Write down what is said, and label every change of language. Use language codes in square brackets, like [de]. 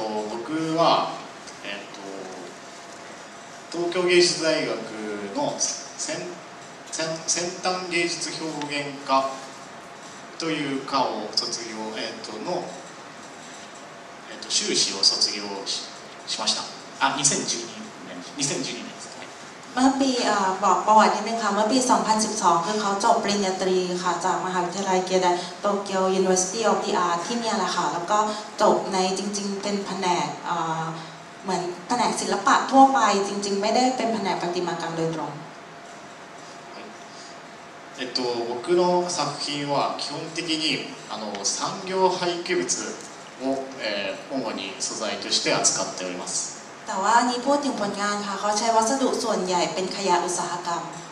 [ja] 僕は東京芸術大学の先端芸術表現科という科を卒業の修士を卒業しました。あ、2012年です。 [th] เมื่อปีบอกประวัตินิดนึงค่ะเมื่อปี2012คือเขาจบปริญญาตรีค่ะจากมหาวิทยาลัยเกียวโตเกียว University of the Art ที่เนี่ยแหละค่ะแล้วก็จบในจริงๆเป็นแผนกเหมือนแผนกศิลปะทั่วไปจริงๆไม่ได้เป็นแผนกประติมากรรมโดยตรง [ja] 僕の作品は基本的に産業廃棄物を主に素材として扱っております [th] แต่ว่านี่พูดถึงผลงานค่ะเขาใช้วัสดุส่วนใหญ่เป็นขยะอุตสาหกรรม